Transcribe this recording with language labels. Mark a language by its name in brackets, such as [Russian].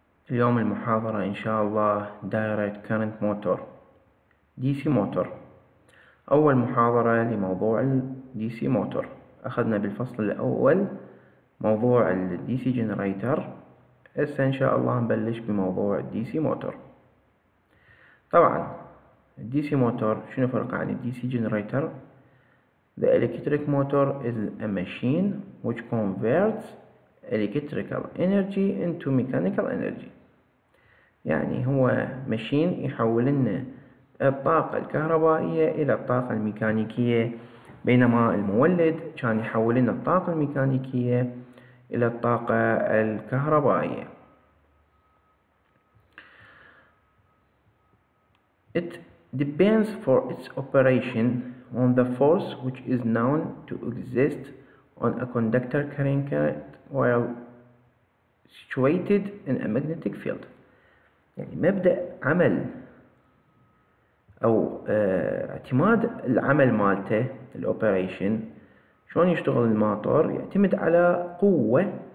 [Arabic] اليوم المحاضرة إن شاء الله دايركت كارنت موتور دي سي موتور. أول محاضرة لموضوع الدي سي موتور، أخذنا بالفصل الأول موضوع الدي سي جنريتر، هسه إن شاء الله نبلش بموضوع الدي سي موتور. طبعا الدي سي موتور شنو فرق عن الدي سي جنريتر؟ [English] The electric motor is a machine which converts electrical energy into mechanical energy. [Arabic] يعني هو ماشين يحول لنا الطاقة الكهربائية إلى الطاقة الميكانيكية، بينما المولد كان يحول لنا الطاقة الميكانيكية إلى الطاقة الكهربائية. [English] It depends for its operation on the force which is known to exist on a conductor carrying current while situated in a magnetic field. [Arabic] يعني مبدأ عمل أو اعتماد العمل مالته الأوبريشن، شلون يشتغل الماتور، يعتمد على قوة.